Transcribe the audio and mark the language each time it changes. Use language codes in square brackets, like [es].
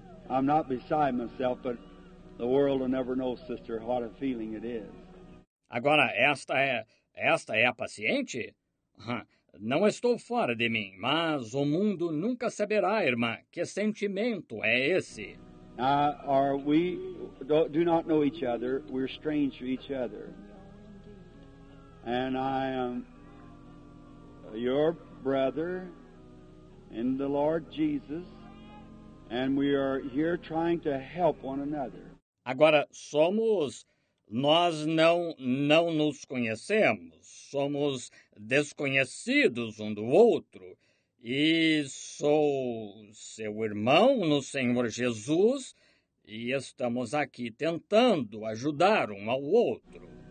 [en] I'm not beside myself, but the world will never know, sister, what a feeling it is. [pt] Agora, esta é a paciente? Não estou fora de mim, mas o mundo nunca saberá, irmã, que sentimento é esse. [en] We do not know each other. We're strange to each other. And I am your brother in the Lord Jesus, and we are here trying to help one another. [pt] Agora, nós não nos conhecemos, somos desconhecidos um do outro, e sou seu irmão no Senhor Jesus, e estamos aqui tentando ajudar um ao outro.